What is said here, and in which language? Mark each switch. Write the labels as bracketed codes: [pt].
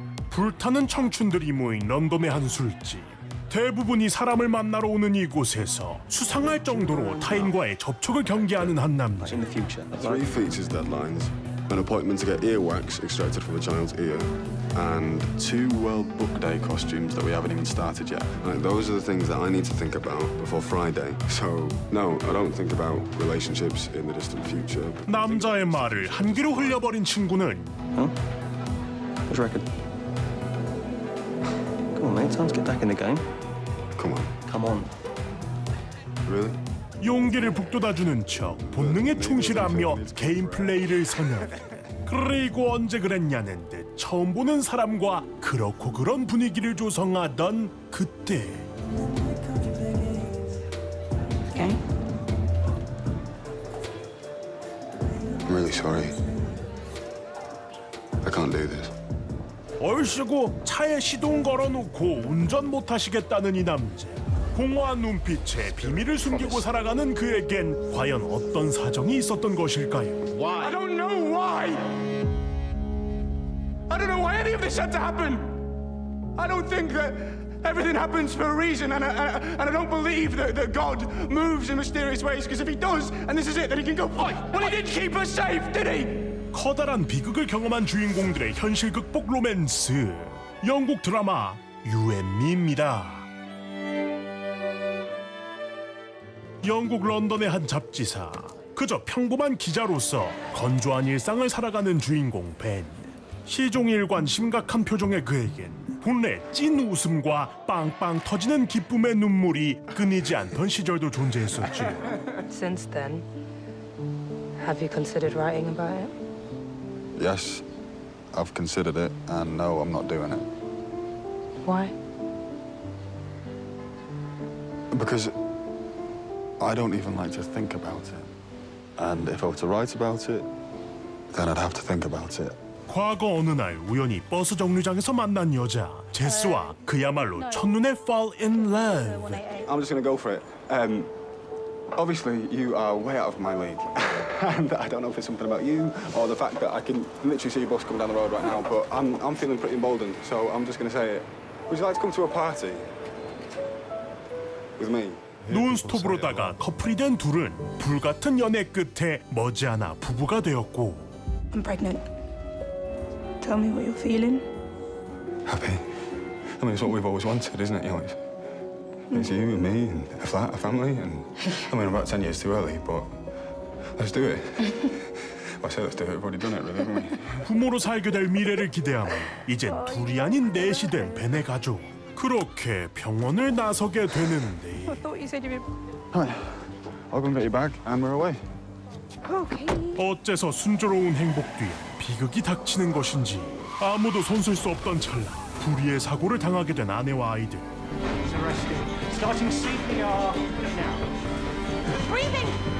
[ko] 불타는 청춘들이 모인 런던의 한 술집. 대부분이 사람을 만나러 오는 이곳에서 수상할 정도로 타인과의 접촉을 경계하는 한 남자. [en] In the future, three features deadlines, an appointment to get earwax extracted from a child's ear, and two well-booked day costumes that we haven't even started yet. Like, those are the things that I need to think about before Friday. So, no, I don't think about relationships in the distant future. [ko] 남자의 말을 한기로 흘려버린 친구는. [en] Huh? What's record? Come on, mate. Time to get back in the game. Come on. Come on. Really? [ko] 용기를 북돋아주는 척 본능에 충실하며 게임 플레이를 선언. 그리고 언제 그랬냐는 듯 처음 보는 사람과 그렇고 그런 분위기를 조성하던 그때. [en] Okay. I'm really sorry. I can't do this. [ko] 얼씨구 차에 시동 걸어놓고 운전 못하시겠다는 이 남자. 공허한 눈빛에 비밀을 숨기고 살아가는 그에겐 과연 어떤 사정이 있었던 것일까요? [en] Why? I don't know why. I don't know why any of this had to happen. I don't think that everything happens for a reason, and I don't believe that God moves in mysterious ways. Because if he does, and this is it, then he can go. Why? Well, he did keep us safe, did he? [ko] 커다란 비극을 경험한 주인공들의 현실 극복 로맨스. 영국 드라마 You and Me입니다. 영국 런던의 한 잡지사. 그저 평범한 기자로서 건조한 일상을 살아가는 주인공 벤. 시종일관 심각한 표정의 그에겐 본래 찐 웃음과 빵빵 터지는 기쁨의 눈물이 끊이지 않던 시절도 존재했었지. [en] Since then, have you considered writing about it? Yes, I've considered it, and no, I'm not doing it. Why? Because I don't even like to think about it. And if I were to write about it, then I'd have to think about it. [ko] 과거 어느 날 우연히 버스 정류장에서 만난 여자 제스와 그야말로 첫눈에 [en] fall in love. I'm just gonna go for it. Obviously, you are way out of my league. And I don't know if it's something about you or the fact that I can literally see a bus coming down the road right now, but I'm feeling pretty emboldened, so I'm just going to say it. Would you like to come to a party with me? [ko] 논스톱으로다가 커플이 된 둘은 불같은 연애 끝에 머지않아 부부가 되었고. [en] I'm pregnant. Tell me what you're feeling. Happy. I mean, it's what we've always wanted, isn't it? You know, it's you and me and a flat, a family, and I mean, I'm about 10 years too early, but let's do it. Well, I say let's do it. We've already done it, really, haven't we? [ko] 부모로 살게 될 미래를 기대하며 이젠 둘이 아닌 넷이 된 벤의 가족. 그렇게 병원을 나서게 되는데. [en] I thought you said you'd be. Hi. I'll get your bag and we're away. Okay. [ko] 어째서 순조로운 행복 뒤에 비극이 닥치는 것인지 아무도 손쓸 수 없던 찰나 불의의 사고를 당하게 된 아내와 아이들. [en] Starting CPR now. Breathing.